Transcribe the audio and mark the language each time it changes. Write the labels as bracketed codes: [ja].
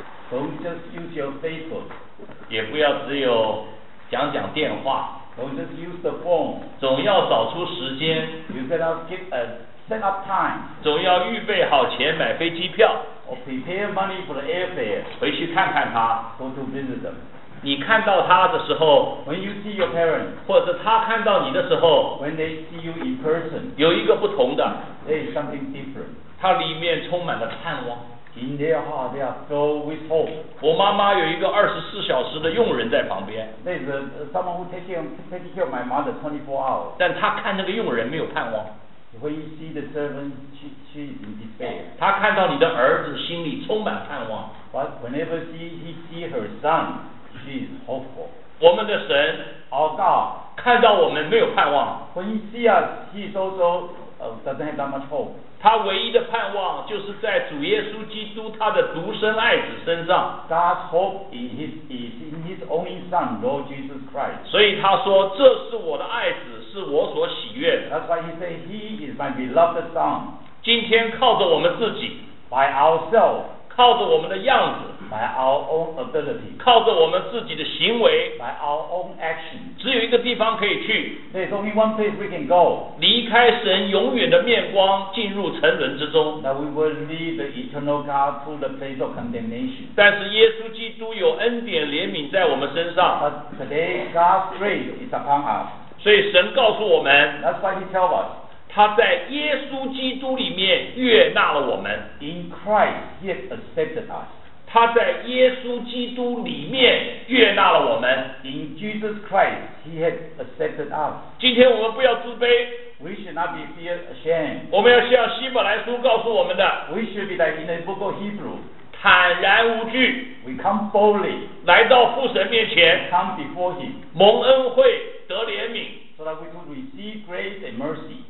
[en] Don't just use your Facebook [zh] 也不要只有讲讲电话 [en] Don't just use the phone [zh] 总要找出时间 [en] You better get a set up time [zh] 总要预备好钱买飞机票 [en] Or prepare money for the airfare [zh] 回去看看他 [en] Go to visit them [zh] 你看到他的时候 [en] When you see your parents, [zh] 或者他看到你的时候 [en] When they see you in person, [zh] 有一个不同的 [en] There is something different. [zh] 他里面充满了盼望 [en] In their heart, they are filled with hope. [zh] 我妈妈有一个24小时的佣人在旁边 [en] There is someone who takes care of my mother 24 hours. [zh] 但他看那个佣人没有盼望 [en] When you see the servant, she is in despair. [zh] 他看到你的儿子心里充满盼望 [en] But whenever he sees her son,She is hopeful. [zh] 我们的神 [en] Our God [zh] 看到我们没有盼望 [en] When he sees us, he is also doesn't have that much hope. [zh] 他唯一的盼望就是在主耶稣基督他的独生爱子身上 [en] God's hope is in his only son, Lord Jesus Christ. [zh] 所以他说这是我的爱子是我所喜悦的 [en] That's why he said he is my beloved son. [zh] 今天靠着我们自己 [en] By ourselves. [zh] 靠着我们的样子 [en] By our own ability, [zh] 靠着我们自己的行为 [en] by our own action, [zh] 只有一个地方可以去 [en] There's only one place we can go, [zh] 离开神永远的面光进入沉沦之中 [en] That we will leave the eternal God to the place of condemnation. [zh] 但是耶稣基督有恩典怜悯在我们身上 [en] But today God's grace is upon us. [zh] 所以神告诉我们 [en] That's why he tells us. [zh] 他在耶稣基督里面悦纳了我们 [en] In Christ he has accepted us. [zh] 他在耶稣基督里面悦纳了我们。 [en] In Jesus Christ, He has accepted us. [zh] 今天我们不要自卑。 [en] We should not be feared ashamed. [zh] 我们要像希伯来书告诉我们的。 [en] We should be like in the book of Hebrew. [zh] 坦然无惧。 [en] We come boldly. [zh] 来到父神面前。 [en] Come before Him. [zh] 蒙恩惠，得怜悯。 [en] So that we could receive grace and mercy.